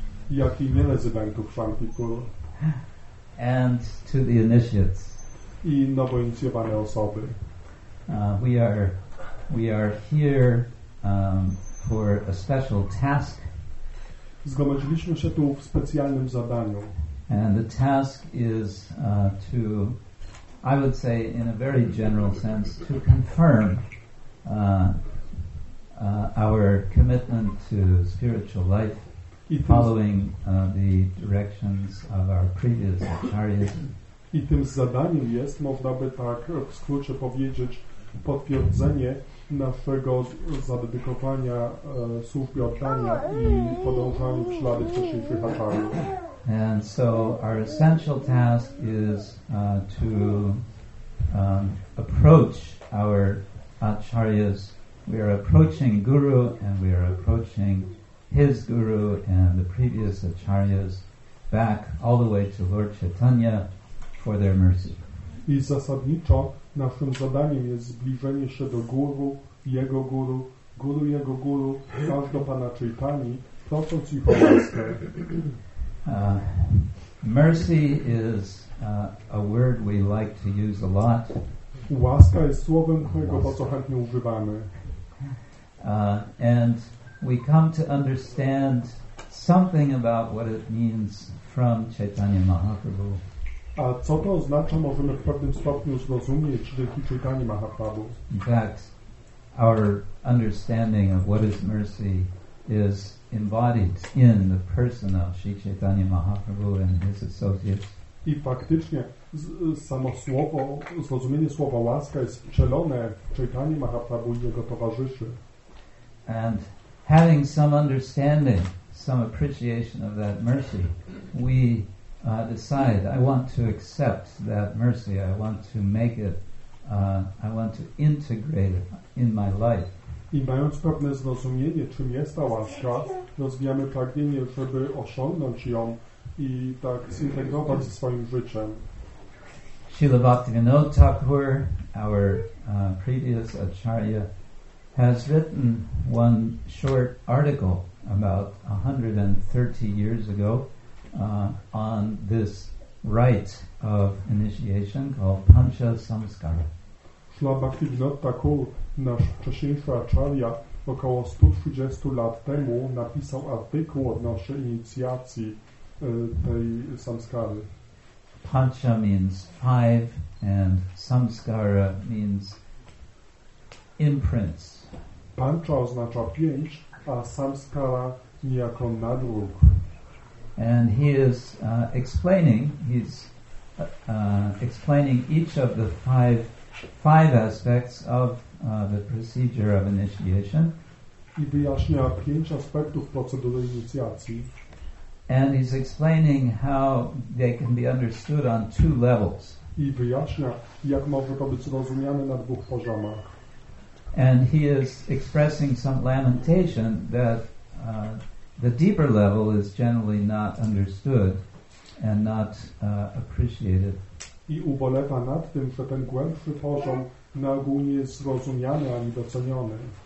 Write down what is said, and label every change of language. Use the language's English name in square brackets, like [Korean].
[Polish] Jak i nierezydentów Shantipur. [English] And to the initiates. [Polish] I nowo inicjowane osoby. [English] We are here for a special task. [Polish] Zgromadziliśmy się tu w specjalnym zadaniu. [English] And the task is to, I would say, in a very general sense, to confirm our commitment to spiritual life, following the directions of our previous acharyas. [Polish] I tym zadaniem jest, można by tak w skrócie powiedzieć, potwierdzenie naszego zadedykowania służby oddania i podążania w ślady wcześniejszych acharyów. [English] And so our essential task is to approach our acharyas. We are approaching guru and we are approaching his guru and the previous acharyas back all the way to Lord Chaitanya for their mercy. [Polish] I zasadniczo naszym zadaniem jest zbliżenie się do guru, jego guru, guru jego guru, aż do Pana Chaitani, prosząc ich o łaskę. [English] Mercy is a word we like to use a lot. [Polish] Łaska jest słowem, którego bardzo chętnie używamy. [English] And we come to understand something about what it means from Chaitanya Mahaprabhu. [Polish] A co to oznacza, możemy w pewnym stopniu zrozumieć dzięki Chaitanya Mahaprabhu. [English] In fact, our understanding of what is mercy is embodied in the person of Sri Chaitanya Mahaprabhu and his associates. [Polish] I faktycznie samo słowo, zrozumienie słowa łaska jest wcielone w Chaitanya Mahaprabhu i jego towarzyszy. [English] And having some understanding, some appreciation of that mercy, we decide, I want to accept that mercy, I want to make it, I want to integrate it in my life. [Polish] I mając pewne zrozumienie, czym jest ta łaska, rozwijamy pragnienie, żeby osiągnąć ją i tak zintegrować ze swoim życiem. [English] Śrīla Bhaktivinoda Thakura, our previous acharya, has written one short article about 130 years ago on this rite of initiation called Pancha Samskara. [Polish] Śrīla Bhaktivinoda Thakura, nasz wcześniejszy acharya, około 130 lat temu napisał artykuł odnośnie inicjacji tej samskary. [English] Pancha means five and samskara means imprints. [Polish] Pancha oznacza pięć, a samskara niejako nadruk. [English] And he is explaining each of the five aspects of the procedure of initiation. [Polish] I wyjaśnia pięć aspektów procedury inicjacji. [English] And he's explaining how they can be understood on two levels. [Polish] I wyjaśnia, jak może to być zrozumiane na dwóch poziomach. [English] And he is expressing some lamentation that the deeper level is generally not understood and not appreciated. [Polish] I ubolewa nad tym, że ten głębszy poziom na ogół nie jest zrozumiany ani doceniony.